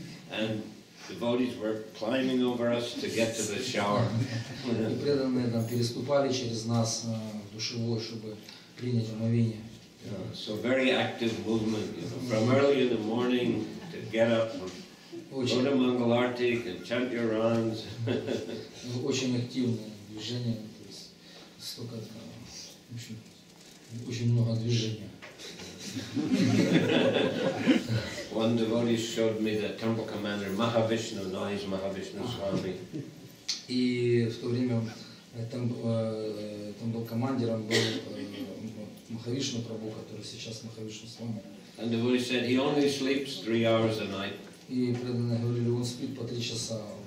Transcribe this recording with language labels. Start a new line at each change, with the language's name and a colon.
English: And devotees were climbing over us to get to the shower.
Russian: И преданные там переступали через нас в душевой, чтобы принять омовение.
English: So very active movement, you know, from early in the morning to get up, go to Mangalarti and chant your rounds.
Russian: Очень активное движение, то есть столько, в общем, очень много движения.
English: One devotee showed me the temple commander Mahavishnu, now he's Mahavishnu Swami.
Russian: И в то время temple commander был Махавишну Прабху, который сейчас Махавишну Свами.
English: And the devotee said he only sleeps 3 hours a night.
Russian: И преданные говорили, он спит по 3 часа.